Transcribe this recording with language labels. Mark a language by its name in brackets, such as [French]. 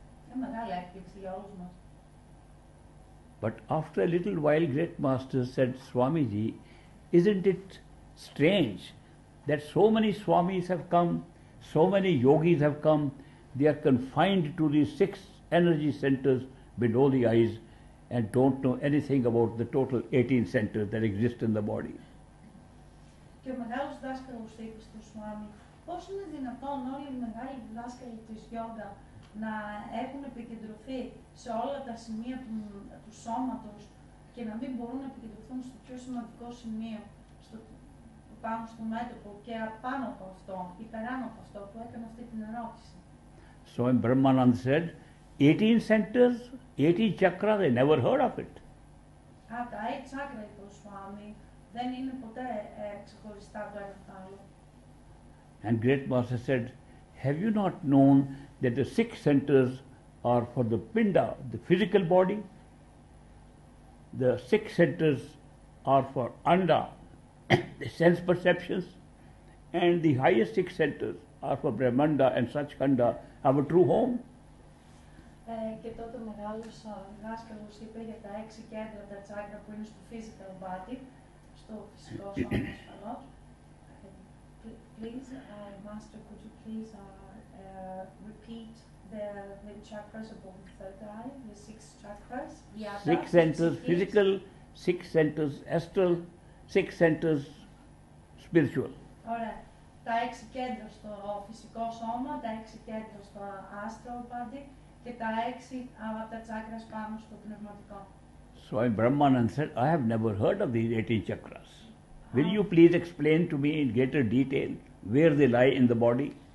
[Greek] Μια μεγάλη έκπληξη για όλους μας. [English] But after a little while, Great Master said, Swamiji, isn't it strange that so many Swamis have come, so many yogis have come, they are confined to these 6 energy centers below the eyes and don't know anything about the total 18 centers that exist in the body. [Greek] Και ο μεγάλος δάσκαλος είπε στον Σουάμι, πώς είναι δυνατόν όλοι οι μεγάλοι δάσκαλοι της γιόγκα να έχουν επικεντρωθεί σε όλα τα σημεία του σώματος και να μην μπορούν να επικεντρωθούν στο πιο σημαντικό σημείο, πάνω στο μέτωπο και πάνω από αυτό, υπεράνω από αυτό που έκανε αυτή την ερώτηση. [English] So Brahmanand said, 18 centers, 18 chakra, they never heard of it. [Greek] Α, τα 8 chakra, είπε ο Σουάμι, δεν είναι ποτέ ξεχωριστά το ένα από το άλλο. [English] And Great Master said, have you not known that the 6 centers are for the pinda, the physical body? The 6 centers are for anda, the sense perceptions, and the highest 6 centers are for Brahmanda and Sachkanda, our true home. [Greek] Και τότε ο μεγάλος δάσκαλος είπε για τα 6 κέντρα, τα τσάκρα που είναι στο [English] physical body, [Greek] στο φυσικό σώμα ασφαλώς. [English] Please, Master, could you please repeat the chakras above the third eye, the 6 chakras, the other 6 centers, physical, 6 centers, astral, 6 centers, spiritual. [Greek] Ωραία. Τα 6 κέντρα στο φυσικό σώμα, τα 6 κέντρα στο [English] astral body [Greek] και τα 6 avata chakras πάνω στο πνευματικό. [English] So Brahmanand said, I have never heard of these 18 chakras. Will you please explain to me in greater detail where they lie in the body?